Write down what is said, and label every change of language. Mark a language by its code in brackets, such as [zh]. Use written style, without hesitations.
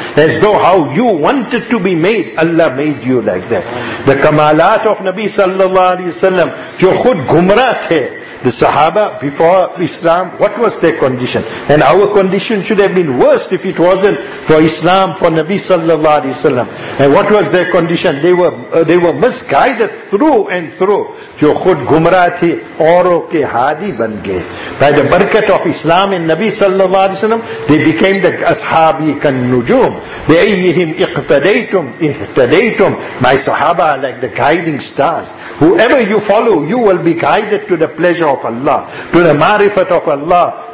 [en] As though how you wanted to be made, Allah made you like that. The kamalat of Nabi sallallahu alaihi wasallam, [ur] jo khud gumrah the. [en] The Sahaba before Islam, what was their condition? And our condition should have been worse if it wasn't for Islam, for Nabi sallallahu alayhi wa sallam. And what was their condition? They were misguided through and through. [ur] جو خود گمراہ تھی اوروں کے ہادی بن گئے. [en] By the barakat of Islam and Nabi sallallahu alayhi wa sallam, they became the ashabi kan nujum. [ar] بِأَيِّهِمْ اِقْتَدَيْتُمْ اِهْتَدَيْتُمْ. [en] My sahaba are like the guiding stars. Whoever you follow, you will be guided to the pleasure of Allah, to the marifat of Allah.